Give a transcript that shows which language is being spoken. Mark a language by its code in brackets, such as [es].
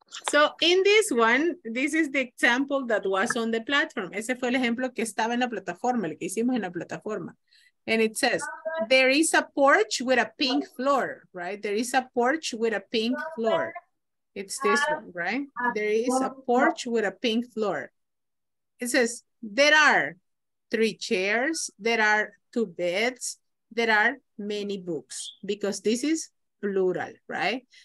[en] So in this one, this is the example that was on the platform. [es] Ese fue el ejemplo que estaba en la plataforma, el que hicimos en la plataforma. [en] And it says, there is a porch with a pink floor, right? There is a porch with a pink floor. It's this one, right? There is a porch with a pink floor. It says, there are three chairs, there are two beds, there are many books, because this is plural, right?